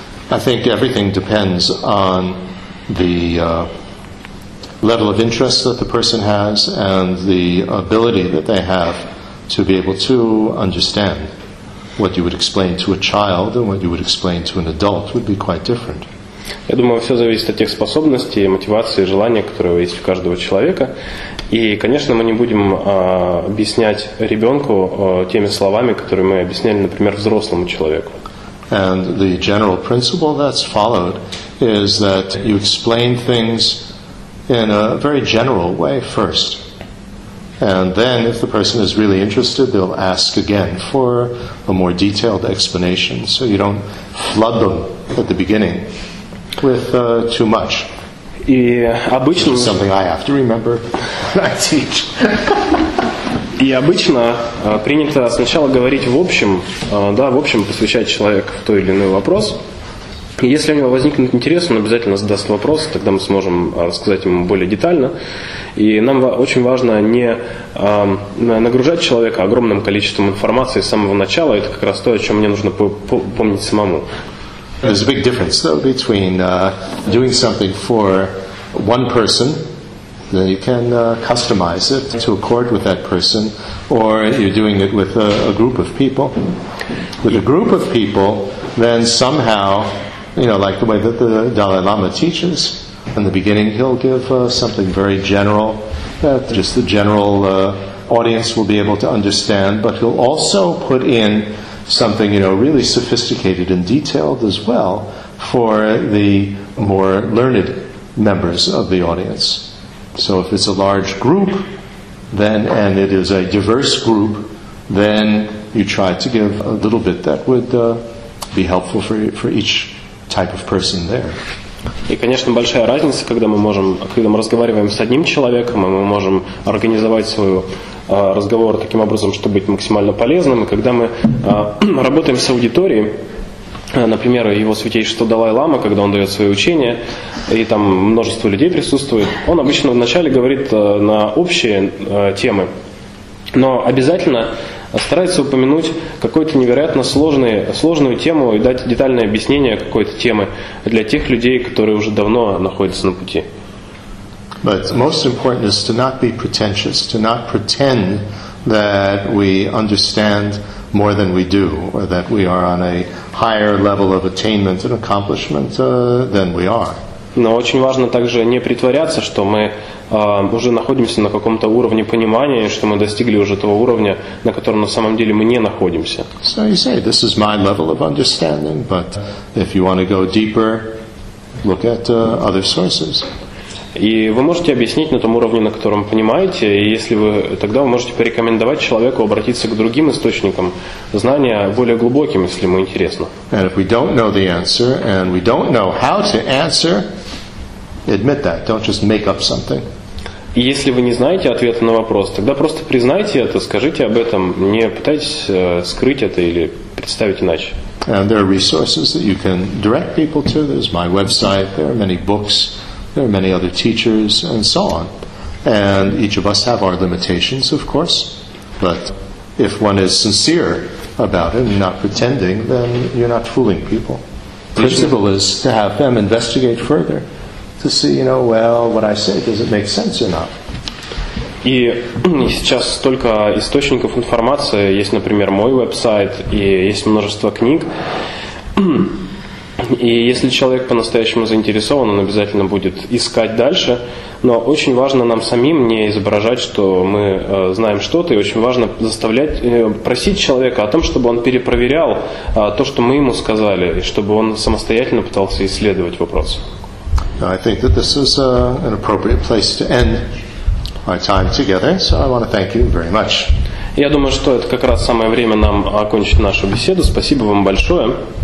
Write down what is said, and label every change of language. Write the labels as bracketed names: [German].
[English] I think everything depends on the level of interest that the person has and the ability that they have to be able to understand. What you would explain to a child and what you would explain to an adult would be quite different. [Russian] Я думаю, все зависит от тех способностей, мотивации, желания, которые есть у каждого человека. И, конечно, мы не будем объяснять ребенку теми словами, которые мы объясняли, например, взрослому человеку. [English] And the general principle that's followed is that you explain things in a very general way first. And then, if the person is really interested, they'll ask again for a more detailed explanation. So you don't flood them at the beginning with too much. [Russian] И обычно [English] something I have to remember when I teach. [Russian] И обычно принято сначала говорить в общем, да, в общем посвящать человека в тот или иной вопрос. Если у него возникнет интерес, он обязательно задаст вопрос, тогда мы сможем рассказать ему более детально. И нам очень важно не нагружать человека огромным количеством информации с самого начала. Это как раз то, о чем мне нужно помнить самому. [English] There's a big difference, though, between doing something for one person, then you can customize it to accord with that person, or you're doing it with a group of people. With a group of people, then somehow, you know, like the way that the Dalai Lama teaches, in the beginning he'll give something very general, that just the general audience will be able to understand, but he'll also put in something, you know, really sophisticated and detailed as well for the more learned members of the audience. So if it's a large group, then, and it is a diverse group, then you try to give a little bit that would be helpful for each type of person there. [Russian] И, конечно, большая разница, когда мы разговариваем с одним человеком, и мы можем организовать свой разговор таким образом, чтобы быть максимально полезным, и когда мы работаем с аудиторией, например, его святейшество Далай-Лама, когда он дает свои учения, и там множество людей присутствует, он обычно вначале говорит на общие темы, но обязательно старается упомянуть какую-то невероятно сложную тему и дать детальное объяснение какой-то темы для тех людей, которые уже давно находятся на пути. [English] But most important is to not be pretentious, to not pretend that we understand more than we do, or that we are on a higher level of attainment and accomplishment than we are. [Russian] Но очень важно также не притворяться, что мы уже находимся на каком-то уровне понимания, что мы достигли уже того уровня, на котором на самом деле мы не находимся. [English] So you say, this is my level of understanding, but if you want to go deeper, look at other sources. [Russian] И вы можете объяснить на том уровне, на котором понимаете, и если вы, тогда вы можете порекомендовать человеку обратиться к другим источникам знания, более глубоким, если ему интересно. [English] And if we don't know the answer, and we don't know how to answer, admit that, don't just make up something. [Russian] И если вы не знаете ответа на вопрос, тогда просто признайте это, скажите об этом, не пытайтесь скрыть это или представить иначе. [English] And there are resources that you can direct people to. There's my website, there are many books, there are many other teachers, and so on. And each of us have our limitations, of course, but if one is sincere about it and not pretending, then you're not fooling people. The principle is to have them investigate further to see, you know, well, what I say, does it make sense or not? [Russian] И сейчас столько источников информации. Есть, например, мой веб-сайт, и есть множество книг. И если человек по-настоящему заинтересован, он обязательно будет искать дальше. Но очень важно нам самим не изображать, что мы знаем что-то, и очень важно просить человека о том, чтобы он перепроверял то, что мы ему сказали, и чтобы он самостоятельно пытался исследовать вопрос. [English] I think that this is an appropriate place to end our time together, so I want to thank you very much. [Russian] Я думаю, что это как раз самое время нам окончить нашу беседу. Спасибо вам большое.